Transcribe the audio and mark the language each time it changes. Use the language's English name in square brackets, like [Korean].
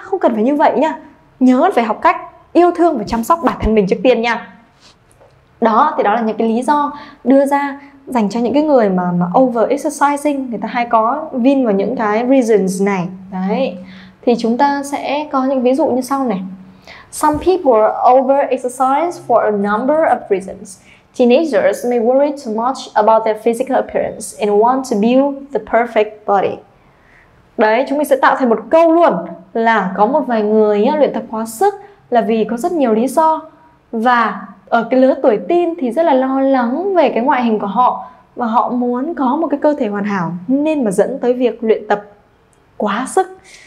[Vietnamese] Không cần phải như vậy nha, nhớ phải học cách yêu thương và chăm sóc bản thân mình trước tiên nha. Đó thì đó là những cái lý do đưa ra dành cho những cái người mà over exercising, người ta hay có vin vào những cái reasons này. Đấy. Thì chúng ta sẽ có những ví dụ như sau này. [English] Some people over exercise for a number of reasons. Teenagers may worry too much about their physical appearance and want to build the perfect body. [Vietnamese] Đấy, chúng mình sẽ tạo thành một câu luôn là có một vài người nhá, luyện tập quá sức là vì có rất nhiều lý do, và ở cái lứa tuổi teen thì rất là lo lắng về cái ngoại hình của họ và họ muốn có một cái cơ thể hoàn hảo nên mà dẫn tới việc luyện tập quá sức.